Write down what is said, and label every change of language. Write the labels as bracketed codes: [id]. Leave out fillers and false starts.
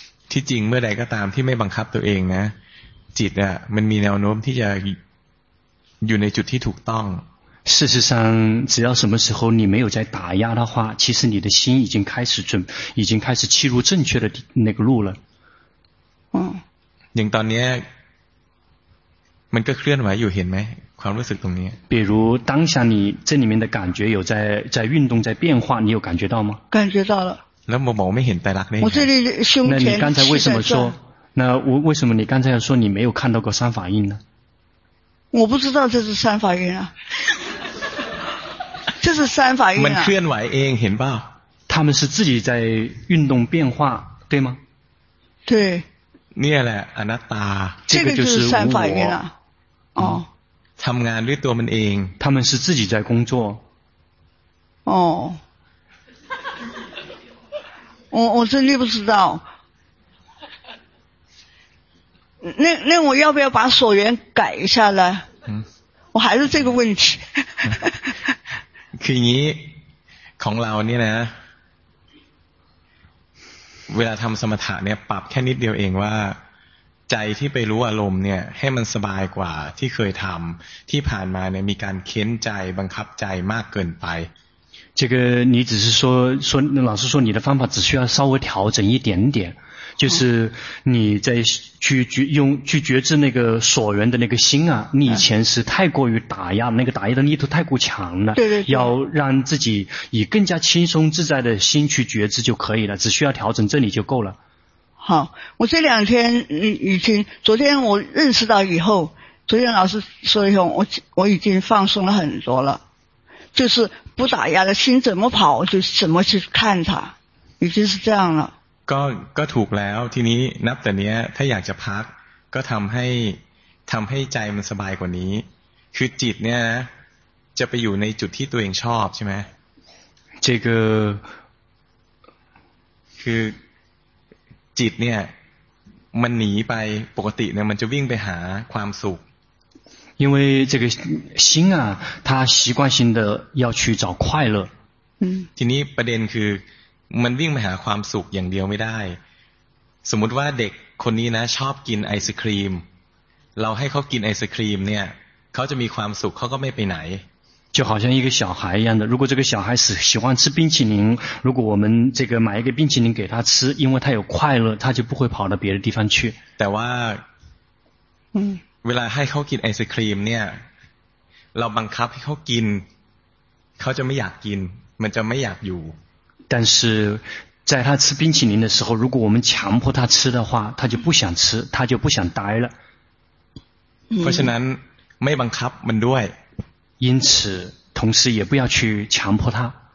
[th] ที่จริงเมื่อใดก็ตามที่ไม่บังคับตัวเองนะจิตอ่ะมันมีแนวโน้มที่จะอยู่ในจุดที่ถูกต้อง [zh] 事实上只要什么时候你没有在打压的话其实你的心已经开始准已经开始契入正确的那个路了嗯，像到呢，它就 [th] เคลื่อนไหวอยู่เห็นไหมความรู้สึกตรงนี้ [zh] 比如当下你这里面的感觉有在运动在变化你有感觉到吗感觉到了 [th] แล้วผมไม่เห็นไตรลักษณ์ได้ [zh] 我这里胸前那你刚才为什么说那我为什么你刚才说你没有看到过三法印呢我不知道这是三法印啊这是三法印啊 [th] มันเคลื่อนไหวเองเห็นป่าว [zh] 他们是自己在运动变化对吗对 [th] เนี่ยแหละอนัตตา เจ้าก็คือสามฝ่ายเนี่ยนะอ๋อ ทำงานด้วยตัวมันเอง [zh] 他们是自己在工作哦我真的不知道那我要不要把所缘改一下呢嗯我还是这个问题 [th] คืออย่างนี้ของเราเนี่ยนะเวลาทำสมถะเนี่ยปรับแค่นิดเดียวเองว่าใจที่ไปรู้อารมณ์เนี่ยให้มันสบายกว่าที่เคยทำที่ผ่านมาเนี่ยมีการเค้นใจบังคับใจมากเกินไป [zh] 这个你只是说老师说你的方法只需要稍微调整一点点就是你在去觉知那个所缘的那个心啊你以前是太过于打压那个打压的力度太过强了对对对要让自己以更加轻松自在的心去觉知就可以了只需要调整这里就够了好我这两天已经昨天我认识到以后昨天老师说以后我已经放松了很多了就是不打压的心怎么跑就怎么去看它已经是这样了 [th] ก็ถูกแล้วทีนี้นับแต่เนี้ยถ้าอยากจะพักก็ทำให้ใจมันสบายกว่านี้คือจิตเนี้ยจะไปอยู่ในจุดที่ตัวเองชอบใช่ไหม [zh] 这个 [th] คือจิตเนี้ยมันหนีไปปกติเนี้ยมันจะวิ่งไปหาความสุข [zh] 因为这个心啊它习惯性的要去找快乐 [th] ทีนี้ประเด็นคือมันวิ่งไปหาความสุขอย่างเดียวไม่ได้สมมุติว่าเด็กคนนี้นะชอบกินไอศกรีมเราให้เขากินไอศกรีมเนี่ยเขาจะมีความสุขเขาก็ไม่ไปไหน [zh] 就好像一个小孩一样的如果这个小孩是喜欢吃冰淇淋如果我们这个买一个冰淇淋给他吃因为他有快乐他就不会跑到别的地方去 [th] แต่ว่าเวลาให้เขากินไอศกรีมเนี่ยเราบังคับให้เขากินเขาจะไม่อยากกินมันจะไม่อยากอยู่ [zh] 但是在他吃冰淇淋的时候如果我们强迫他吃的话他就不想吃他就不想待了、嗯、因此同时也不要去强迫他